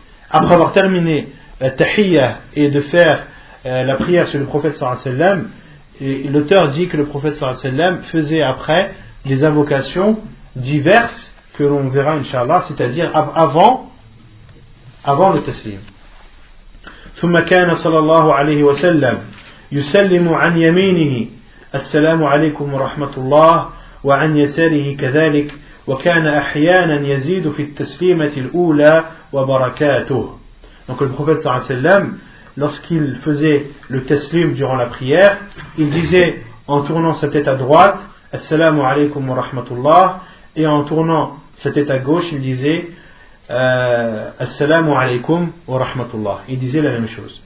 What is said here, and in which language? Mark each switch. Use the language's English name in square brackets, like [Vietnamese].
[French] Après avoir terminé tahiyya et de faire la prière sur le prophète sallallahu alayhi wa sallam, et l'auteur dit que le prophète sallallahu alayhi wa sallam faisait après des invocations diverses que l'on verra inshallah, c'est-à-dire avant le taslim. [Arabic] ثم كان صلى الله عليه وسلم يسلم عن يمينه السلام عليكم ورحمة الله وعن يساره كذلك وكان أحيانا يزيد في التسليمة الأولى وبركاته. [French] Donc le prophète [Arabic] صلى الله عليه وسلم, [French] lorsqu'il faisait le taslim durant la prière, il disait en tournant sa tête à droite [Arabic] السلام عليكم ورحمة الله, [French] et en tournant sa tête à gauche il disait [Arabic] Assalamu alaykum wa rahmatullah. [French] Il disait la même chose.